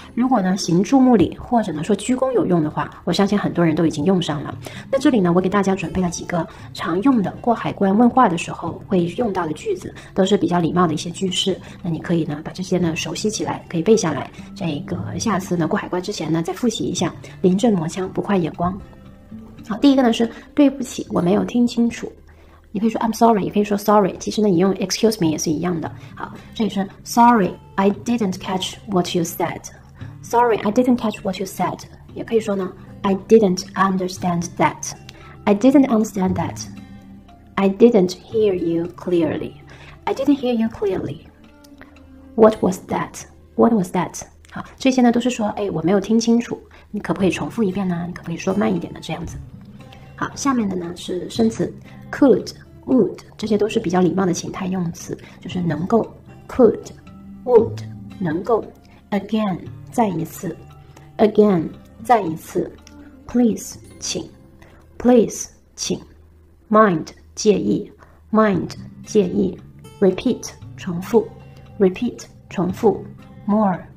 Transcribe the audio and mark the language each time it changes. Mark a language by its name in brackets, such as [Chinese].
[Chinese] 如果呢行注目礼或者呢说鞠躬有用的话，我相信很多人都已经用上了。那这里呢，我给大家准备了几个常用的过海关问话的时候会用到的句子，都是比较礼貌的一些句式。那你可以呢把这些呢熟悉起来，可以背下来。这个下次呢过海关之前呢再复习一下，临阵磨枪不快眼光。好，第一个呢是对不起，我没有听清楚。你可以说 [English] I'm sorry， [Chinese] 也可以说 [English] sorry， [Chinese] 其实呢你用 [English] excuse me [Chinese] 也是一样的。好，这里是 [English] sorry I didn't catch what you said， sorry I didn't catch what you said， [Chinese] 也可以说呢 [English] I didn't understand that， I didn't understand that， I didn't hear you clearly， I didn't hear you clearly， what was that， what was that。 [Chinese] 好，这些呢都是说，哎，我没有听清楚，你可不可以重复一遍呢？你可不可以说慢一点呢？这样子。好，下面的呢是生词 [English] could、would， [Chinese] 这些都是比较礼貌的情态用词，就是能够 could、would， 能够 [English] again [Chinese] 再一次 again 再一次 [English] please [Chinese] 请 please 请 [English] mind [Chinese] 介意 mind 介意 [English] repeat [Chinese] 重复 repeat 重复 [English] more。